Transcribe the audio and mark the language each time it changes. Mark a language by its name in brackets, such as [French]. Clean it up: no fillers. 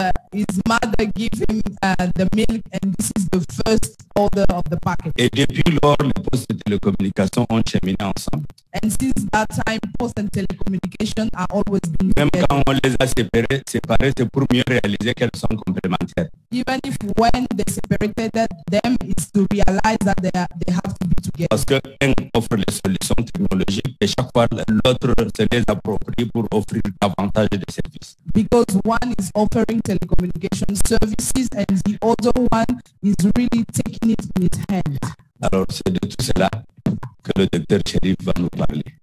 [English] His mother gave him the milk, and this is the first order of the packet. [French] Et depuis lors, les postes de télécommunication ont cheminé ensemble. [English] And since that time, post and telecommunication are always been [French] même [English] together. [French] Quand on les a séparés, c'est pour mieux réaliser qu'elles sont complémentaires. [English] Even if when they separated them, it's to realize that they have to be together. [French] Parce que un offre les solutions technologiques et chaque fois l'autre se les approprie pour offrir davantage de services. [English] Because one is offering telecommunication services and the other one is really taking it in its hand. [French] Alors c'est de tout cela que le docteur Sharif va nous parler.